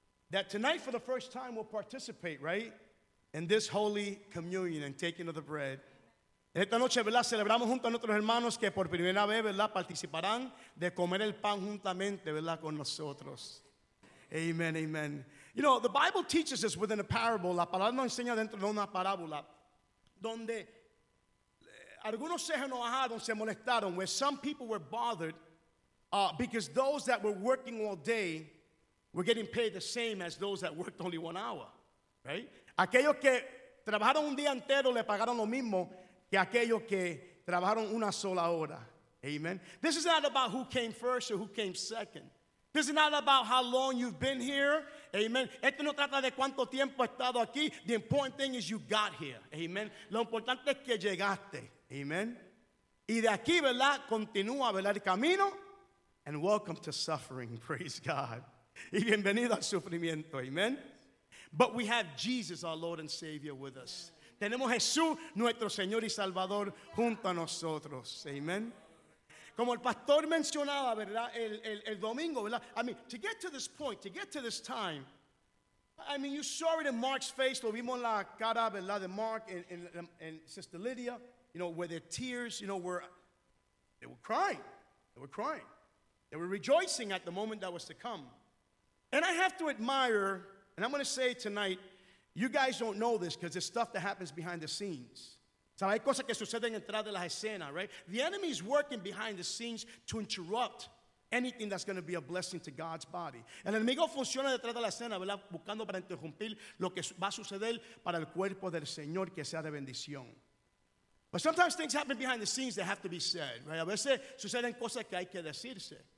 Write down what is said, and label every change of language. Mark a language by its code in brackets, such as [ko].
[en] That tonight, for the first time, we'll participate, right, in this holy communion and taking of the bread. [es] Esta noche, ¿verdad?, celebramos junto a nuestros hermanos que por primera vez, ¿verdad?, participarán de comer el pan juntamente, ¿verdad?, con nosotros. Amen, amen. [en] You know, the Bible teaches us within a parable, [es] la palabra nos enseña dentro de una parábola, donde algunos se enojaron, se molestaron, [en] where some people were bothered because those that were working all day were getting paid the same as those that worked only 1 hour, right? [es] Aquellos que trabajaron un día entero le pagaron lo mismo que aquellos que trabajaron una sola hora. Amen. [en] This is not about who came first or who came second. This is not about how long you've been here. Amen. [es] Esto no trata de cuánto tiempo he estado aquí. [en] The important thing is you got here. Amen. [es] Lo importante es que llegaste. [en] Amen. [es] Y de aquí, ¿verdad?, continúa, ¿verdad?, el camino. [en] And welcome to suffering. Praise God. [es] Y bienvenido al sufrimiento. [en] Amen. But we have Jesus, our Lord and Savior, with us. [es] Tenemos Jesús, nuestro Señor y Salvador, junto a nosotros. Amen. Como el pastor mencionaba, ¿verdad?, el domingo, ¿verdad? [en] I mean, to get to this point, to get to this time, I mean, you saw it in Mark's face, [es] lo vimos en la cara, ¿verdad?, [en] de Mark and Sister Lydia, you know, where their tears, you know, they were crying. They were rejoicing at the moment that was to come. And I have to admire, and I'm going to say tonight, you guys don't know this because it's stuff that happens behind the scenes. [es] Hay cosas que suceden detrás de la escena, [en] right? The enemy is working behind the scenes to interrupt anything that's going to be a blessing to God's body. [es] El enemigo funciona detrás de la escena, ¿verdad?, buscando para interrumpir lo que va a suceder para el cuerpo del Señor que sea de bendición. [en] But sometimes things happen behind the scenes that have to be said, right? [es] A veces suceden cosas que hay que decirse.